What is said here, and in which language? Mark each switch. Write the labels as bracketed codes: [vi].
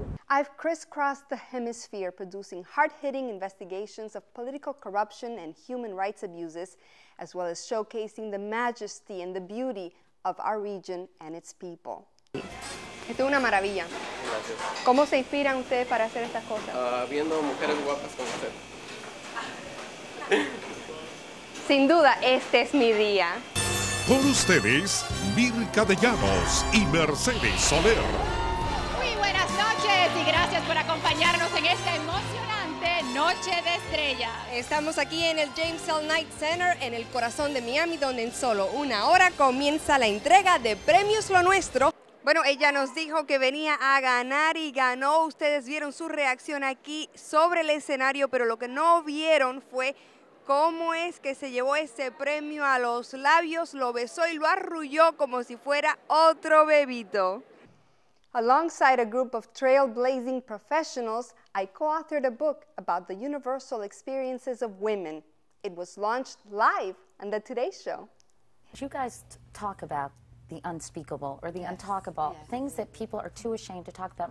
[en] I've crisscrossed the hemisphere producing hard-hitting investigations of political corruption and human rights abuses, as well as showcasing the majesty and the beauty of our region and its people. [es] Esto es una maravilla. Gracias. ¿Cómo se inspiran ustedes para hacer estas cosas? Viendo mujeres guapas como usted. Sin duda, este es mi día. Por ustedes, Mirka de Llanos y Mercedes Soler. Muy buenas noches y gracias por acompañarnos en esta emocionante noche de estrella. Estamos aquí en el James L. Knight Center, en el corazón de Miami, donde en solo una hora comienza la entrega de Premios Lo Nuestro. Bueno, ella nos dijo que venía a ganar y ganó. Ustedes vieron su reacción aquí sobre el escenario, pero lo que no vieron fue cómo es que se llevó ese premio a los labios, lo besó y lo arrulló como si fuera otro bebito. [en] Alongside a group of trailblazing professionals, I co-authored a book about the universal experiences of women. It was launched live on the Today Show. You guys talk about the unspeakable or the untalkable, things that people are too ashamed to talk about.